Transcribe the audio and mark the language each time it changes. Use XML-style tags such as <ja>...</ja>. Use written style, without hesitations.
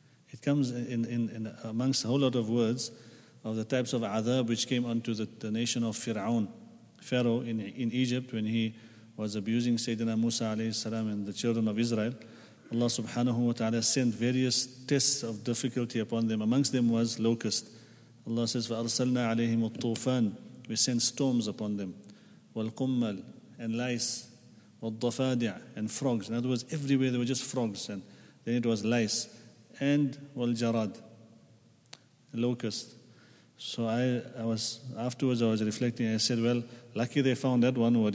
<en>It comes in amongst a whole lot of words of the types of adab which came unto the nation of Fir'aun. Pharaoh in Egypt, when he was abusing Sayyidina Musa alayhi salam and the children of Israel, Allah subhanahu wa ta'ala sent various tests of difficulty upon them. Amongst them was locust. Allah says,</en> <ar>فَأَرْسَلْنَا عَلَيْهِمُ الطُّوفَانِ.</ar> <en>We sent storms upon them. وَالْقُمَّلْ. And lice. وَالضَّفَادِعِ. And frogs. In other words, everywhere there were just frogs. And then it was lice. And وَالْجَرَاد. Locust. So I was reflecting. I said, well, lucky they found that one word.</en>